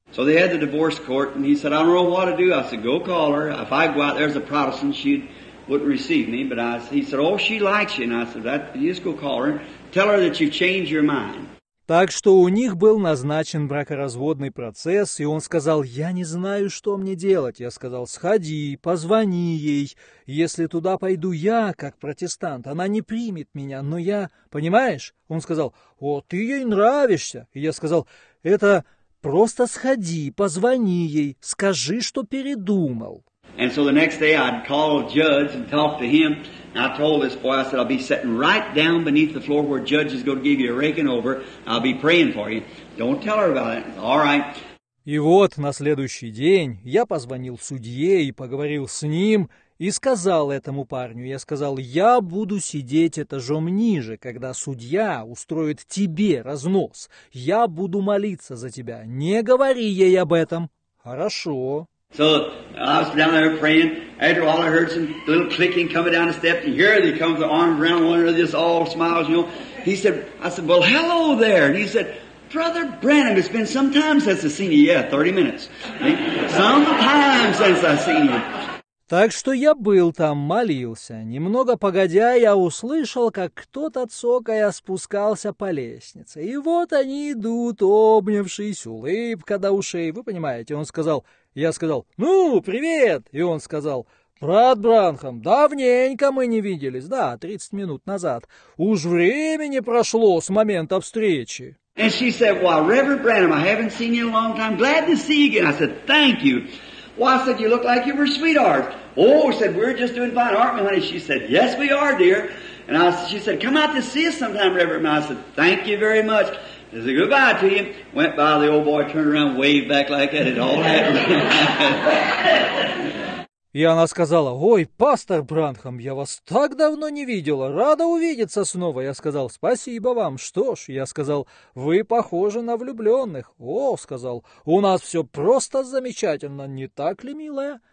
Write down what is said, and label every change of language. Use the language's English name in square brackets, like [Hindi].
[English] So they had the divorce court, and he said, I don't know what to do, I said, go call her, if I go out there as a Protestant, she wouldn't receive me, but he said, oh, she likes you, and I said, that, you just go call her. Tell her that you've changed your mind. [Russian] Так что у них был назначен бракоразводный процесс, и он сказал, я не знаю, что мне делать. Я сказал, сходи, позвони ей. Если туда пойду я, как протестант, она не примет меня, но я, понимаешь? Он сказал, о, ты ей нравишься. И я сказал, это просто сходи, позвони ей, скажи, что передумал. [English] And so the next day I'd call a judge and talk to him. I told this boy, I said, I'll be sitting right down beneath the floor where judges go to give you a raking over. I'll be praying for you. Don't tell her about it. All right. [Russian] И вот на следующий день я позвонил судье и поговорил с ним и сказал этому парню, я сказал, я буду сидеть этажом ниже, когда судья устроит тебе разнос. Я буду молиться за тебя. Не говори ей об этом. Хорошо. [English] So I was down there praying. After all, I heard some little clicking coming down the steps. And here they come, the arms around one another, just all smiles, you know. He said, I said, well, hello there. And he said, Brother Branham, it's been some time since I've seen you. Yeah, 30 minutes. Some time since I've seen you. [Russian] Так что я был там, молился. Немного погодя, я услышал, как кто-то цокая спускался по лестнице. И вот они идут, обнявшись, улыбка до ушей. Вы понимаете, он сказал... Я сказал, ну, привет! И он сказал, брат Бранхам, давненько мы не виделись, да, 30 минут назад. Уж времени прошло с момента встречи. [English] And she said, well, Reverend Branham, I haven't seen you in a long time. Glad to see you again. I said, thank you. Well, I said, you look like you were sweethearts. Oh, I said, we're just doing fine, aren't we, honey? She said, yes, we are, dear. And I said, she said, come out to see us sometime, Reverend. And I said, thank you very much. I said, goodbye to you. Went by, the old boy turned around, waved back like that, it all happened. [Russian] И она сказала, ой, пастор Бранхам, я вас так давно не видела, рада увидеться снова. Я сказал, спасибо вам, что ж, я сказал, вы похожи на влюбленных. О, сказал, у нас все просто замечательно, не так ли, милая?